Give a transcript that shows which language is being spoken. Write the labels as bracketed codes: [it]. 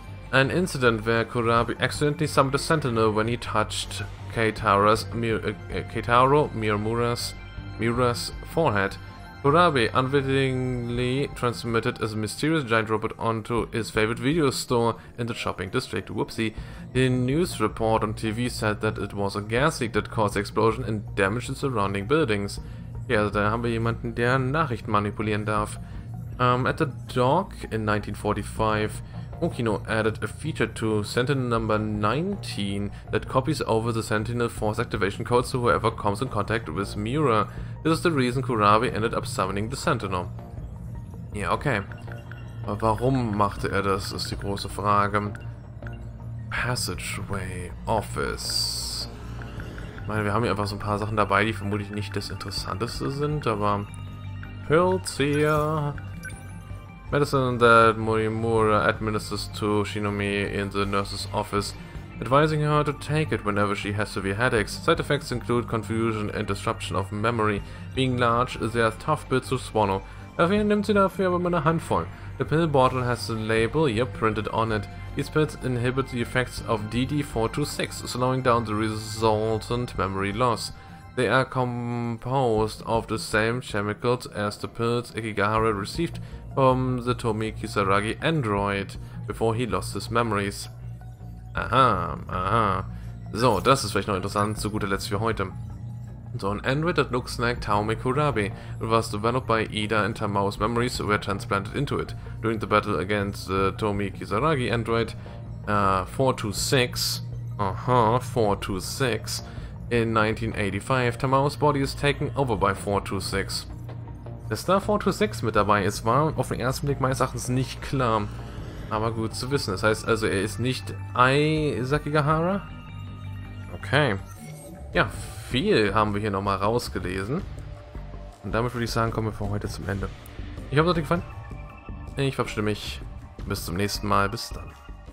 [en] An incident where Kurabi accidentally summoned a sentinel when he touched Miura's forehead. Kurabi unwittingly transmitted a mysterious giant robot onto his favorite video store in the shopping district. Whoopsie. The news report on TV said that it was a gas leak that caused the explosion and damaged the surrounding buildings. [de] Ja, also da haben wir jemanden, der Nachrichten manipulieren darf. [en] At the dock in 1945, Okino added a feature to Sentinel number 19 that copies over the Sentinel Force activation codes to whoever comes in contact with Miura. This is the reason Kurabi ended up summoning the Sentinel. [de] Ja, okay. Aber warum machte er das, ist die große Frage. Passageway Office. Ich meine, wir haben hier einfach so ein paar Sachen dabei, die vermutlich nicht das Interessanteste sind, aber. [en] Pills here. Medicine that Morimura administers to Shinomi in the nurse's office. advising her to take it whenever she has severe headaches. Side effects include confusion and disruption of memory. Being large, there are tough pills to swallow. [de] Dafür nimmt sie dafür aber eine Handvoll. [en] The pill bottle has the label, yep, printed on it. These pills inhibit the effects of DD-426, slowing down the resultant memory loss. They are composed of the same chemicals as the pills Ikigahara received from the Tomi Kisaragi android, before he lost his memories. Aha, aha. [de] So, das ist vielleicht noch interessant, zu guter Letzt für heute. [en] So, an android that looks like Taume Kurabi, it was developed by Ida and Tamao's memories were transplanted into it. During the battle against the Tomi Kisaragi android, 426, uh-huh, 426, in 1985, Tamao's body is taken over by 426. [de] Dass da 426 mit dabei ist, war auf den ersten Blick meines Erachtens nicht klar. Aber gut zu wissen. Das heißt also, er ist nicht Ai-Sakigahara? Okay. Ja, viel haben wir hier nochmal rausgelesen. Und damit würde ich sagen, kommen wir für heute zum Ende. Ich hoffe, es hat euch gefallen. Ich verabschiede mich. Bis zum nächsten Mal. Bis dann.